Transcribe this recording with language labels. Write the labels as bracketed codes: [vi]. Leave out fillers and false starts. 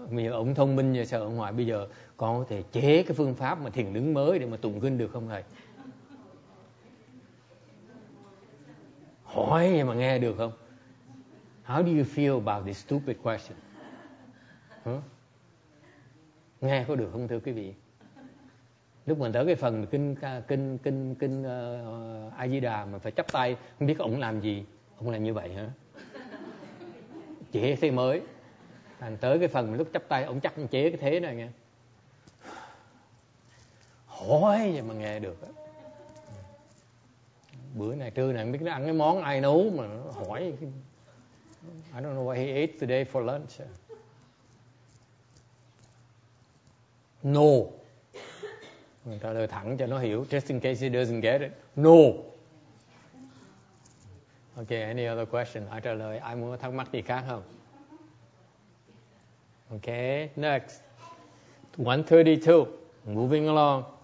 [vi] Ông thông minh như sao ở ngoài, bây giờ con có thể chế cái phương pháp mà thiền đứng mới để mà tụng kinh được không thầy? Hỏi vậy mà nghe được không? [en] How do you feel about this stupid question? [vi] Nghe có được không thưa quý vị? Lúc mình tới cái phần kinh A Di Đà mà phải chắp tay, không biết ông làm gì, ông làm như vậy hả? Chế thế mới. Thành tới cái phần lúc chắp tay, ông chắc ông chế cái thế này nghe. Hỏi vậy mà nghe được. Bữa này trưa này không biết nó ăn cái món ai nấu mà hỏi. [en] I don't know what he ate today for lunch. No. [vi] Mình trả lời thẳng cho nó hiểu. [en] Just in case he doesn't get it. No. Okay, any other question? [vi] I trả lời, ai muốn thắc mắc gì khác không? [en] Okay, next. 132. Moving along.